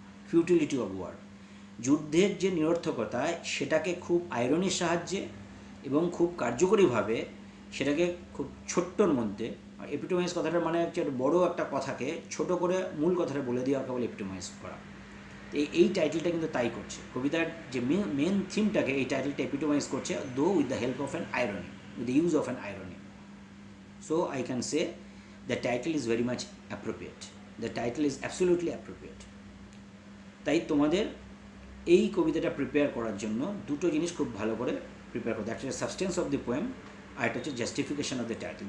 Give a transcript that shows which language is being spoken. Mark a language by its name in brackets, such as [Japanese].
[Bangla] Futility of war, যুদ্ধের যে নিরর্থকতা সেটাকে খুব আয়রনির সাহায্যে এবং খুব কার্যকরীভাবে সেটাকে খুব ছোট্টর মধ্যে, আর এপিটোমাইজ কথাটার মানে হচ্ছে বড়ো একটা কথাকে ছোট করে মূল কথাটা বলে দেওয়া, কেবল এপিটোমাইজ করা। এই টাইটেলটা কিন্তু তাই করছে, কবিতার যে মেন থিমটাকে এই টাইটেলটা এপিটোমাইজ করছে, [English] Though with the help of an irony, with the use of an irony. So I can say the title is very much appropriate, the title is absolutely appropriate. [Bangla] তাই তোমাদের এই কবিতাটা প্রিপেয়ার করার জন্য দুটো জিনিস খুব ভালো করে প্রিপেয়ার করো, একটা সাবস্টেন্স অফ দি পোয়েম, আর একটা হচ্ছে জাস্টিফিকেশান অফ দ্য টাইটেল।